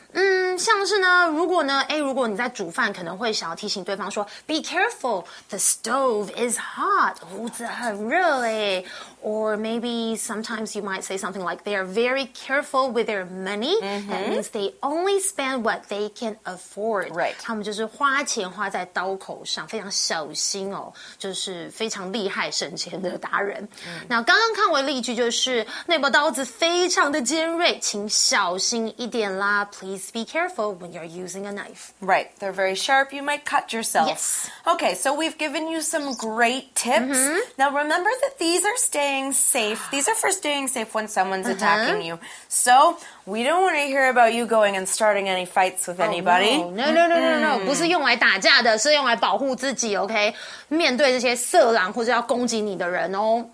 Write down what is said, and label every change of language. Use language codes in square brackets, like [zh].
[zh] 嗯，像是呢，如果呢，哎，如果你在煮饭，可能会想要提醒对方说 ， [en] Be careful. The stove is hot. [zh] 炉子很热哎。 [en] Or maybe sometimes you might say something like they are very careful with their money.、 Mm-hmm. That means they only spend what they can afford. Right. [zh] 他们就是花钱花在刀口上，非常小心哦，就是非常厉害省钱的达人。 Mm. 那刚刚看过例句，就是那把刀子非常的尖锐，请小心一点啦。 [en] Please be careful when you're using a knife. Right. They're very sharp. You might cut yourself. Yes. Okay. So we've given you some great tips.、 Mm-hmm. Now remember that these are staying staying safe. These are for staying safe when someone's attacking you. So, we don't want to hear about you going and starting any fights with anybody. No. [zh] 不是用来打架的，是用来保护自己， OK? 面对这些色狼或者要攻击你的人哦。